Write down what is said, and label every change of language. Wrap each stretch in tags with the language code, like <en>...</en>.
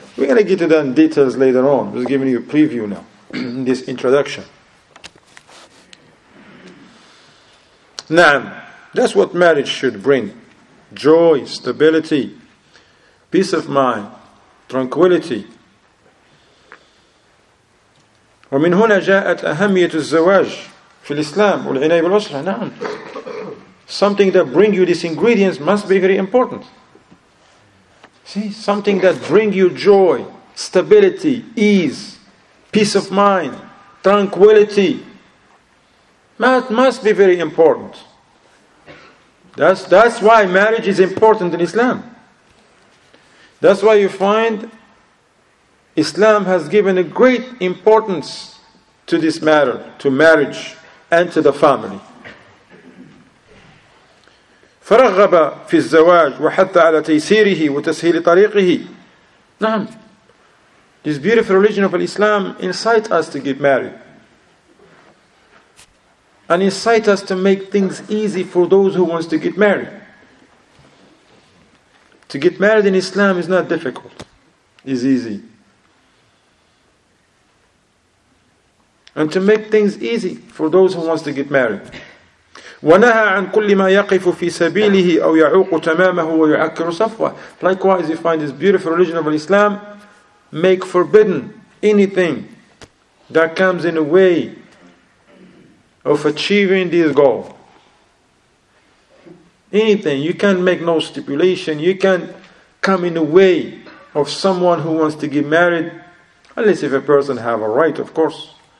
<en>We're going to get to that in details later on. I'm just giving you a preview now, this introduction. Naam, that's what marriage should bring. Joy, stability, peace of mind, tranquility.</en> <ar>ومن هنا جاءت أهمية الزواج في الإسلام والعناية بالأسرة. نعم.</ar> <en>Something that brings you these ingredients must be very important. See, something that brings you joy, stability, ease, peace of mind, tranquility, must be very important. That's why marriage is important in Islam. That's why you find Islam has given a great importance to this matter, to marriage and to the family.</en> <ar>فرغب في الزواج وحث على تيسيره وتسهيل طريقه. نعم.</ar> <en>This beautiful religion of Islam incites us to get married. And incites us to make things easy for those who want to get married. To get married in Islam is not difficult. It's easy. And to make things easy for those who want to get married.</en> <ar>ونهى عن كل ما يقف في سبيله أو يعوق تمامه ويعكر صفوه.</ar> <en>Likewise, you find this beautiful religion of Islam make forbidden anything that comes in the way of achieving this goal. Anything. You can't make no stipulation. You can't come in the way of someone who wants to get married, unless if a person have a right, of course.</en>